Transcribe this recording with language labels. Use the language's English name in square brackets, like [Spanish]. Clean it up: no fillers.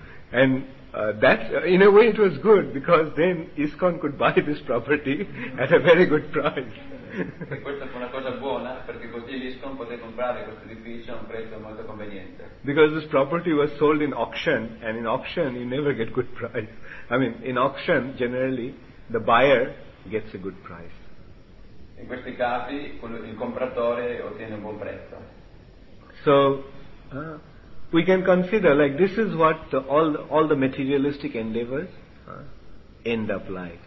[English] And that, in a way it was good because then ISKCON could buy this property at a very good price. [Italian] E questa fu una cosa buona perché così l'ISKCON poté comprare questo edificio a un prezzo molto conveniente. [English] Because this property was sold in auction, and in auction you never get good price. I mean, in auction generally the buyer gets a good price. [Italian] In questi casi il compratore ottiene un buon prezzo. [English] So we can consider like this is what all the materialistic endeavors end up like.